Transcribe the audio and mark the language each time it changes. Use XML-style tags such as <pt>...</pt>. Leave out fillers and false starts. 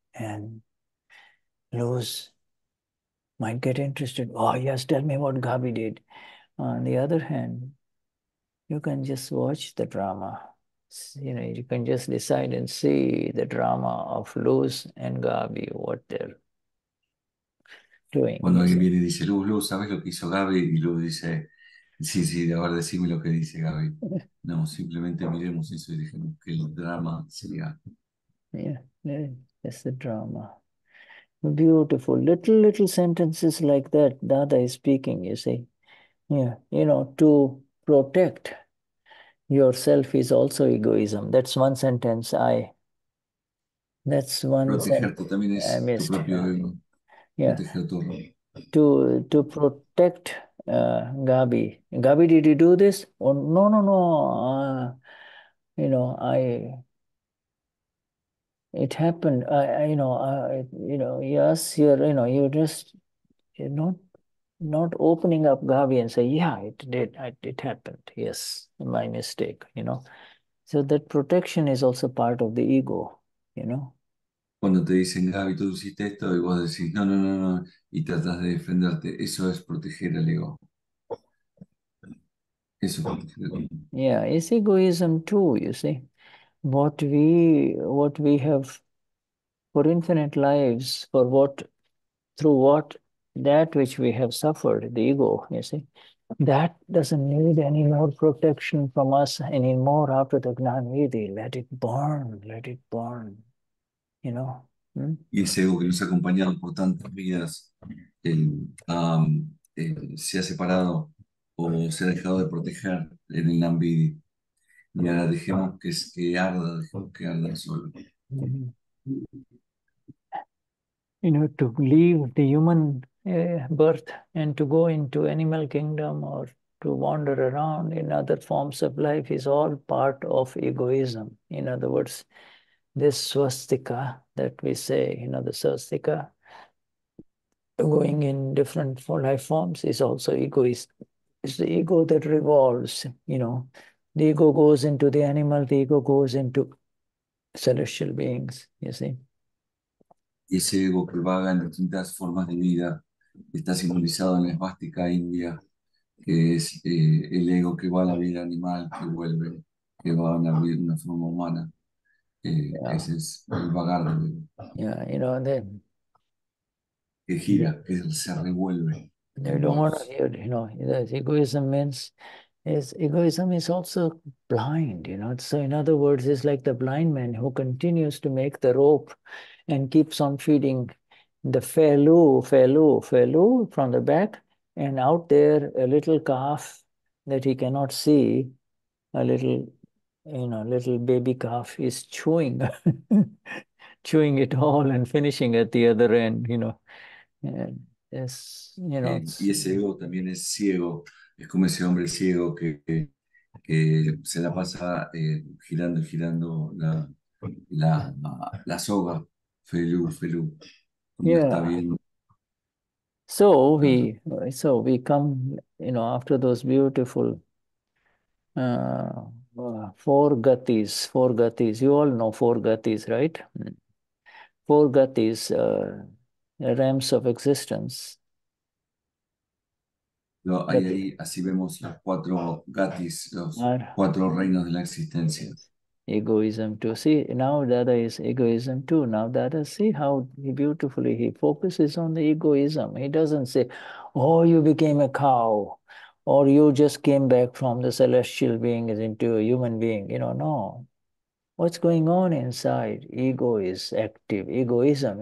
<en>And Luz might get interested. Oh yes, tell me what Gabi did. On the other hand, you can just watch the drama. You know, you can just decide and see the drama of Luz and Gabi, what they're doing.</en> <es>Cuando alguien viene y dice, Luz, Luz, ¿sabes lo que hizo Gabi? Y Luz dice, sí, sí, ahora decime lo que dice Gabi. No, simplemente miremos eso y dejemos que el drama sería.</es> <en>Yeah, it's the drama. Beautiful. Little sentences like that. Dada is speaking, you see. Yeah, you know, to protect yourself is also egoism. That's one sentence I. That's one sentence I missed. Yeah. To protect Gabi. Gabi, did you do this? Or, no. You know, I. It happened. You're just not opening up Gabi and say, yeah, it did. It happened. Yes, my mistake, you know. So that protection is also part of the ego, you know.</en> <es>Cuando te dicen, Gabi, tú hiciste esto, y vos decís, no, y tratas de defenderte. Eso es proteger al ego. Eso es proteger al ego.</es> <en>Yeah, it's egoism too, you see. What we have for infinite lives, for what, through what, that which we have suffered, the ego, you see, that doesn't need any more protection from us anymore after the Gnanvidhi. Let it burn, you know.</en> <es>Y ese ego que nos ha acompañado por tantas vidas, se ha separado o se ha dejado de proteger en el Gnanvidhi. Y ahora dejemos que arda solo.</es> <en>You know, to leave the human birth and to go into animal kingdom or to wander around in other forms of life is all part of egoism. In other words, this swastika that we say, you know, the swastika, going in different life forms is also egoist. It's the ego that revolves, you know. The ego goes into the animal, the ego goes into celestial beings, you see.</en> <es>Y ese ego que vaga en distintas formas de vida está simbolizado en la esvástica india, que es el ego que va a la vida animal, que vuelve, que va a la vida en una forma humana.</es> <en>Yeah.</en> <es>Ese es el vagar del ego.</es> <en>Yeah, you know, then,</en> <es>que gira, que se revuelve.</es> <en>You don't want to hear, you know, that egoism means. Is egoism is also blind, you know. So in other words, it's like the blind man who continues to make the rope and keeps on feeding the felu from the back, and out there a little calf that he cannot see, a little, you know, little baby calf is chewing chewing it all and finishing at the other end, you know. And it's, you know, it's,</en> <es>y ese ego también es ciego. Es como ese hombre ciego que se la pasa girando y girando la soga, felú, y</es> <en>yeah.</en> <es>Está viendo.</es> <en>So we come, you know, after those beautiful four gatis, you all know four gatis, right? Four gatis, realms of existence.</en> <es>No, ahí así vemos los cuatro gatis, los cuatro reinos de la existencia.</es> <en>Egoism too. See, now Dada is egoism too. Now Dada, see how beautifully he focuses on the egoism. He doesn't say, oh, you became a cow, or you just came back from the celestial being into a human being. You know, no. What's going on inside? Ego is active. Egoism.</en>